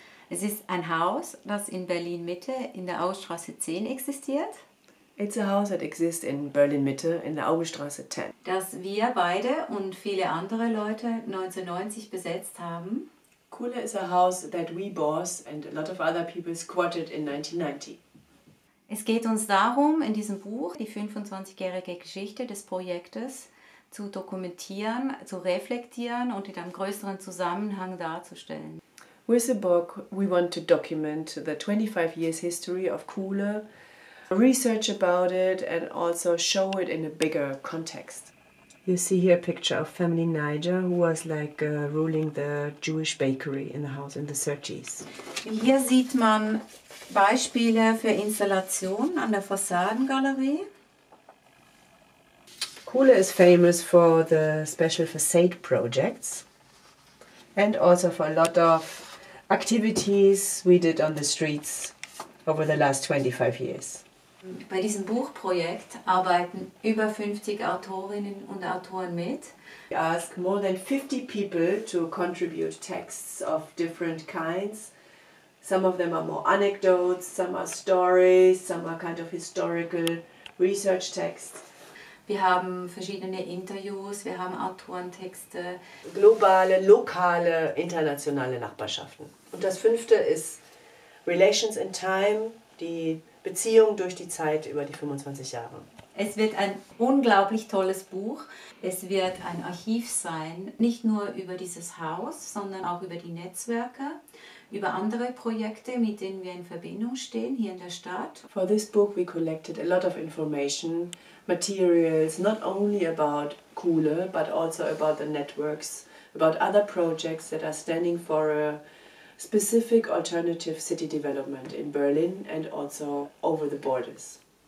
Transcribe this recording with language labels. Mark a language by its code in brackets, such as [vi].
[de] Es ist ein Haus, das in Berlin Mitte in der Auguststraße 10 existiert. [en] It's a house that exists in Berlin Mitte in der Auguststraße 10. [de] Das wir beide und viele andere Leute 1990 besetzt haben. [en] KuLe is a house that we bought and a lot of other people squatted in 1990. [de] Es geht uns darum, in diesem Buch die 25-jährige Geschichte des Projektes zu dokumentieren, zu reflektieren und in einem größeren Zusammenhang darzustellen. [en] With the book, we want to document the 25 years history of KuLe, research about it and also show it in a bigger context. You see here a picture of family Niger, who was like ruling the Jewish bakery in the house in the 30s. [de] Hier sieht man Beispiele für Installationen an der Fassadengalerie. [en] KuLe is famous for the special facade projects and also for a lot of activities we did on the streets over the last 25 years. [de] Bei diesem Buchprojekt arbeiten über 50 Autorinnen und Autoren mit. [en] We ask more than 50 people to contribute texts of different kinds. Some of them are more anecdotes, some are stories, some are kind of historical research texts. [de] Wir haben verschiedene Interviews, wir haben Autorentexte. Globale, lokale, internationale Nachbarschaften. Und das fünfte ist Relations in Time, die Beziehung durch die Zeit über die 25 Jahre. Es wird ein unglaublich tolles Buch. Es wird ein Archiv sein, nicht nur über dieses Haus, sondern auch über die Netzwerke, über andere Projekte, mit denen wir in Verbindung stehen hier in der Stadt. [en] For this book we collected a lot of information, materials, not only about KuLe, but also about the networks, about other projects that are standing for a specific alternative city development in Berlin and also over the borders.